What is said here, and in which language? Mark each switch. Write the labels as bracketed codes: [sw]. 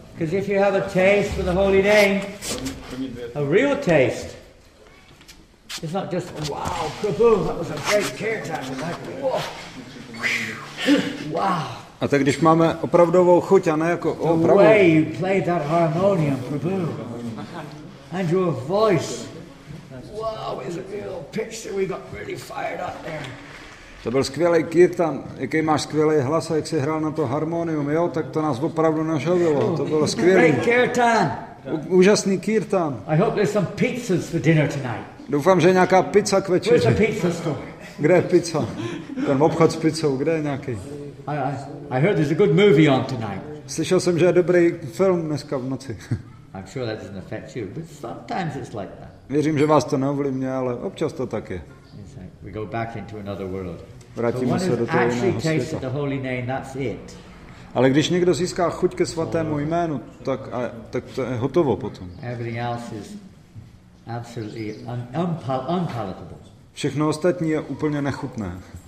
[en] Because if you have a taste for the holy name, a real taste, it's not just wow, kaboom, that was a great kirtan. Wow. [cs] A tak když máme opravdovou chuť, a ne jako opravdu. [en] The way you played that harmonium, prabhu, and your voice. Wow, it's a real pitch that we got really fired up there. [cs] To byl skvělý kirtan, jaký máš skvělý hlas a jak jsi hrál na to harmonium, jo, tak to nás opravdu nažavilo, to bylo skvělý. [en] Great kirtan. [cs] Úžasný kirtan. [en] I hope there's some pizzas for dinner tonight. [cs] Doufám, že nějaká pizza k večeři. [en] Where's the pizza store? [cs] Kde je pizza? Ten obchod s pizzou, kde je nějaký? [en] I heard there's a good movie on tonight. [cs] Slyšel jsem, že je dobrý film dneska v noci. [en] I'm sure that doesn't affect you, but sometimes it's like that. [cs] Věřím, že vás to neovlivňuje, ale občas to tak je. [en] We go back into another world. [cs] Vrátíme se do toho jiného světa. [en] The holy name, that's it. [cs] Ale když někdo získá chuť ke svatému jménu, tak to je hotovo potom. [en] Everything else is absolutely unpalatable. [cs] Všechno ostatní je úplně nechutné.